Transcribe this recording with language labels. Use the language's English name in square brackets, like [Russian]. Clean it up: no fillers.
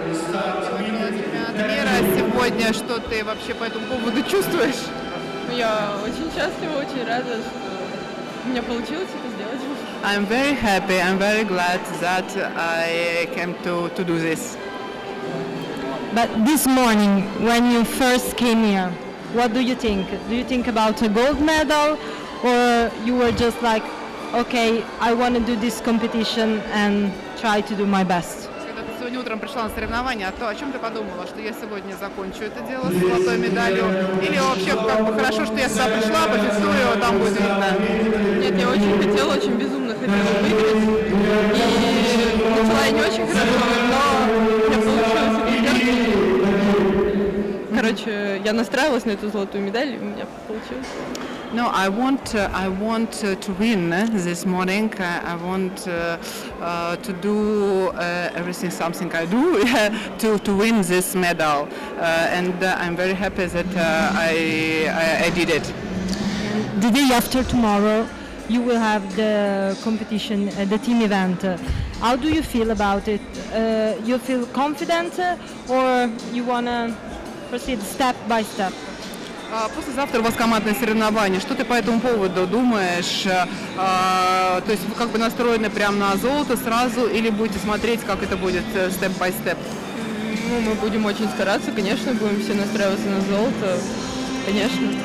[Russian] Мира, сегодня что ты вообще по этому поводу чувствуешь? Я очень счастлива, очень рада, что у меня получилось это сделать. [English] I'm very happy, I'm very glad that I came to do this. But this morning, when you first came here, what do you think? Do you think about a gold medal, or you were just like, okay, I want to do this competition and try to do my best? [Russian] Сегодня утром пришла на соревнования, а то о чем ты подумала, что я сегодня закончу это дело с золотой медалью? Или вообще как бы хорошо, что я с собой пришла, пофиксую, а там будет видно. Нет, я очень хотела, очень безумно хотела выиграть. И начала я не очень хорошо, но я получилась выиграть. Короче, я настраивалась на эту золотую медаль, и у меня получилось. [English] No, I want to win this morning. I want to do everything, something I do to win this medal. I'm very happy that I did it. The day after tomorrow, you will have the competition, the team event. How do you feel about it? You feel confident or you want to proceed step by step? [Russian] Послезавтра у вас командное соревнование. Что ты по этому поводу думаешь? То есть вы как бы настроены прямо на золото сразу или будете смотреть, как это будет [English] step by step? [Russian] Ну, мы будем очень стараться, конечно, будем все настраиваться на золото, конечно.